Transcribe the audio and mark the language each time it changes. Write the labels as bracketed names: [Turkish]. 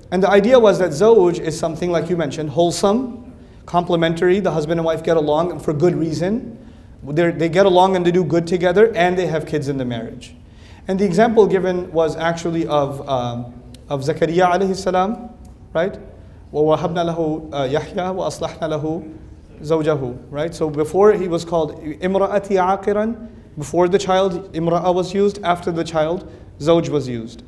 [English] And the idea was that zawj is something, like you mentioned, wholesome, complementary. The husband and wife get along for good reason. They get along and they do good together, and they have kids in the marriage. And the example given was actually of Zakariya alayhi salam, right? [Arabic] وَوَهَبْنَا لَهُ يَحْيَا وَأَصْلَحْنَا لَهُ زَوْجَهُ, [English] right? So before he was called [Arabic] إِمْرَأَتِي عَاقِرًا, [English] before the child, إِمْرَأَ was used, after the child, زَوْج was used.